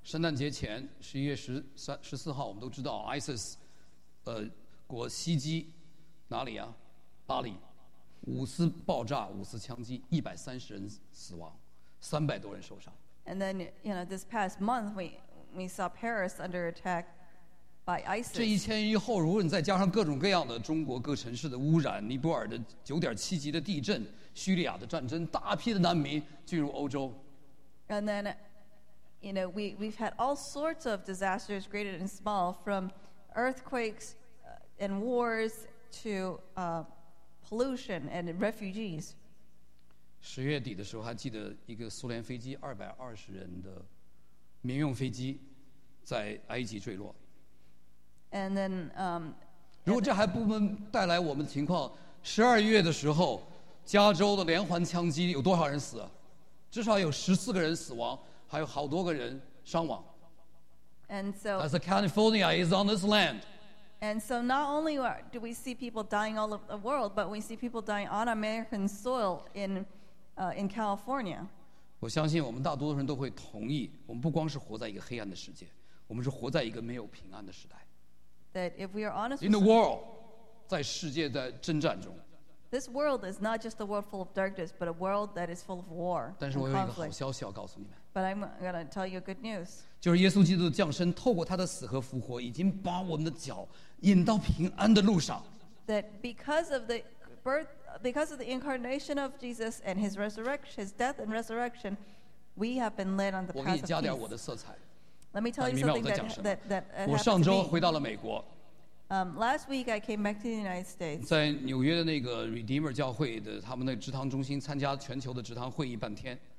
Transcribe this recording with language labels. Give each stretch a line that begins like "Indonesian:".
Chinese: 圣诞节前11月14号，我们都知道 ISIS， 国袭击哪里啊？巴黎，五次爆炸，五次枪击，130人死亡，300多人受伤。
English: And then, you know, this past month we saw Paris under attack. ISIS.
Chinese: 这一前一后，如果你再加上各种各样的中国各城市的污染，尼泊尔的9.7级的地震，叙利亚的战争，大批的难民进入欧洲。
English: And then, you know, we've had all sorts of disasters, great and small, from earthquakes and wars to pollution and refugees.
Chinese: 十月底的时候，还记得一个苏联飞机220人的民用飞机在埃及坠落。
English: And then,
Chinese: 如果这还不能带来我们的情况，十二月的时候，加州的连环枪击有多少人死？至少有14个人死亡，还有好多个人伤亡。
English: And so, as California is on this land, and so not only do we see people dying all over the world, but we see people dying on American soil in California.
Chinese: 我相信我们大多数人都会同意，我们不光是活在一个黑暗的世界，我们是活在一个没有平安的时代。
English: That if we are honest, in the world,
Chinese: 在世界的征战中
English: this world is not just a world full of darkness, but a world that is full of war.
Chinese: 但是我有一个好消息要告诉你们
English: But I'm going to tell you good news.
Chinese: 就是耶稣基督的降生，透过他的死和复活，已经把我们的脚引到平安的路上
English: That because of the incarnation of Jesus and his resurrection, his death and resurrection, we have been led on the path of peace.
Chinese: 我给你加点我的色彩。
English: Let me tell you something that happened to me.
Chinese: 我上周回到了美国。
English: Last week I came back to the United States.
Chinese: 在纽约的那个 Redeemer 教会的他们那个职堂中心参加全球的职堂会议半天。